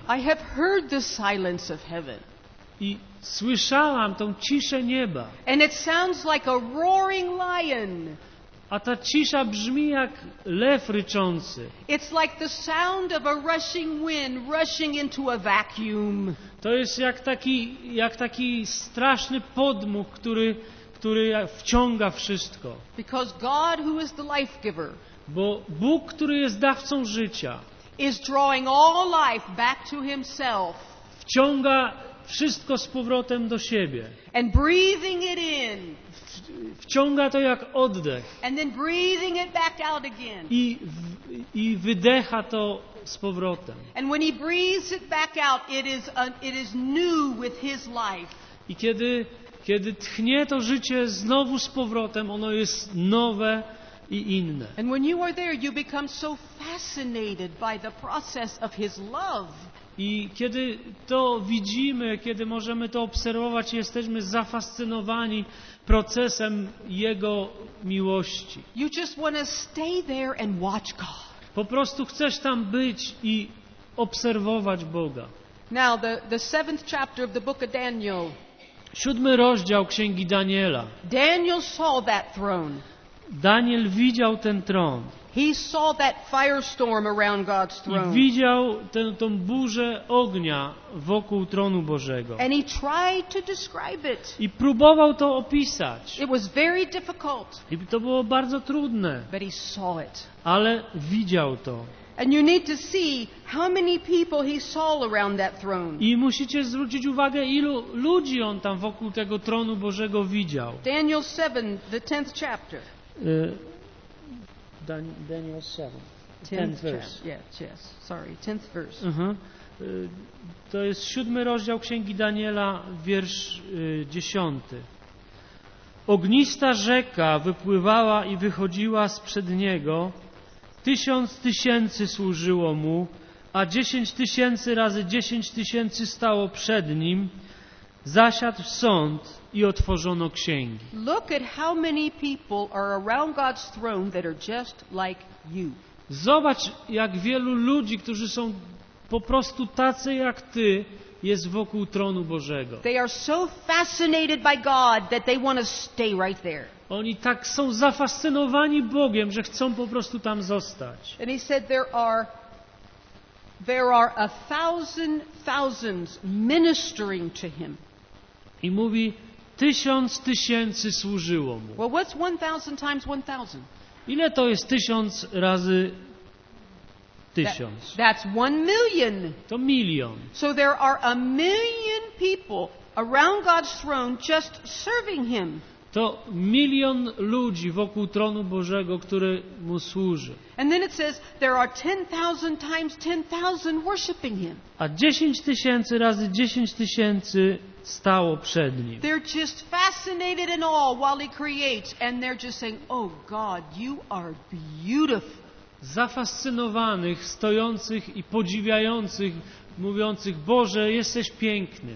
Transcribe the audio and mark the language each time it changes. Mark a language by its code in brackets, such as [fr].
[en] I have heard the silence of heaven. [pl] I słyszałam tą ciszę nieba. [en] And it sounds like a roaring lion. [pl] A ta cisza brzmi jak lew ryczący. [en] It's like the sound of a rushing wind rushing into a vacuum. [pl] To jest jak taki straszny podmuch, który wciąga wszystko. [en] Because God, who is the life giver. [pl] Bo Bóg, który jest dawcą życia. [en] Is drawing all life back to himself. [pl] Wciąga wszystko z powrotem do siebie. [en] And breathing it in. [pl] Wciąga to jak oddech. [en] And then breathing it back out again. [pl] I wydecha to z powrotem. [en] And when he breathes it back out, it is new with his life. [pl] I kiedy tchnie to życie znowu z powrotem, ono jest nowe. I inne. [en] And when you are there, you become so fascinated by the process of his love. [pl] I kiedy to widzimy, kiedy możemy to obserwować, jesteśmy zafascynowani procesem jego miłości. [en] You just want to stay there and watch God. [pl] Po prostu chcesz tam być i obserwować Boga. [en] Now the seventh chapter of the book of Daniel. [pl] Siódmy rozdział Księgi Daniela. [en] Daniel saw that throne. [pl] Daniel widział ten tron. [en] He saw that firestorm around God's throne. [pl] I widział tą burzę ognia wokół tronu Bożego. [en] And he tried to describe it. [pl] I próbował to opisać. [en] It was very difficult. [pl] I to było bardzo trudne. [en] But he saw it. [pl] Ale widział to. [en] And you need to see how many people he saw around that throne. [pl] I musicie zwrócić uwagę, ilu ludzi on tam wokół tego tronu Bożego widział. [en] Daniel 7, the 10th chapter. Daniel 7, 10th verse. Tenth verse. [pl] To jest siódmy rozdział Księgi Daniela, wiersz 10. Ognista rzeka wypływała i wychodziła sprzed niego, 1000 tysięcy służyło mu, a 10 000 razy 10 000 stało przed nim, zasiadł sąd i otworzono księgi. [en] Look at how many people are around God's throne that are just like you. [pl] Zobacz, jak wielu ludzi, którzy są po prostu tacy jak ty, jest wokół tronu Bożego. [en] They are so fascinated by God that they want to stay right there. [pl] Oni tak są zafascynowani Bogiem, że chcą po prostu tam zostać. [en] And he said there are 1,000,000 ministering to him. [pl] I mówi, 1000 tysięcy służyło mu. [en] Well, what's 1,000 times 1,000? [pl] Ile to jest 1,000 razy 1,000? [en] That's 1,000,000. [pl] To milion. [en] So there are 1,000,000 people around God's throne just serving him. [pl] To milion ludzi wokół tronu Bożego, który mu służy. [en] And then it says there are 10,000 times 10,000 worshiping him. [pl] A 10 000 razy 10 000 stało przed nim. [en] They're just fascinated in awe while he creates, and they're just saying, "Oh God, you are beautiful." [pl] Zafascynowanych, stojących i podziwiających mówiących: Boże, jesteś piękny.